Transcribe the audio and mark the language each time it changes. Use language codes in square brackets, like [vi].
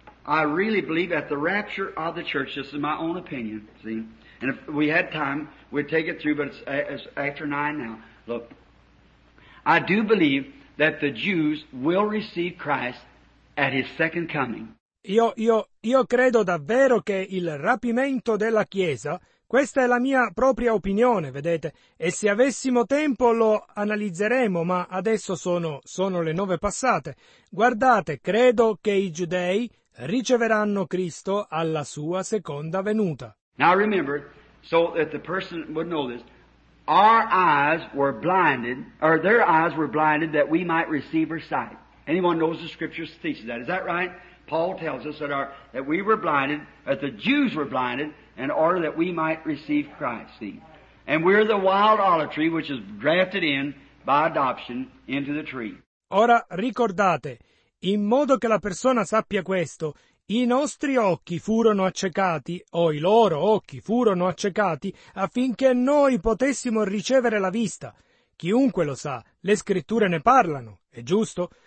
[en] I really believe at the rapture of the church, this is my own opinion, see, and if we had time, we'd take it through, but it's after nine now. Look, I do believe that the Jews will receive Christ at his second coming. [it] Io credo davvero che il rapimento della Chiesa, questa è la mia propria opinione, vedete, e se avessimo tempo lo analizzeremo, ma adesso sono le nove passate. Guardate, credo che i giudei riceveranno Cristo alla sua seconda venuta. [en] Now remember, so that the person would know this, our eyes were blinded, or their eyes were blinded that we might receive her sight. Anyone knows the scriptures teaches that, is that right? Paul tells us that we were blinded, that the Jews were blinded, in order that we might receive Christ. See? And we're the wild olive tree which is drafted in by adoption into the tree. [it] Ora ricordate, in modo che la persona sappia questo, i nostri occhi furono accecati, o i loro occhi furono accecati, affinché noi potessimo ricevere la vista. Chiunque lo sa, le scritture ne parlano, è giusto?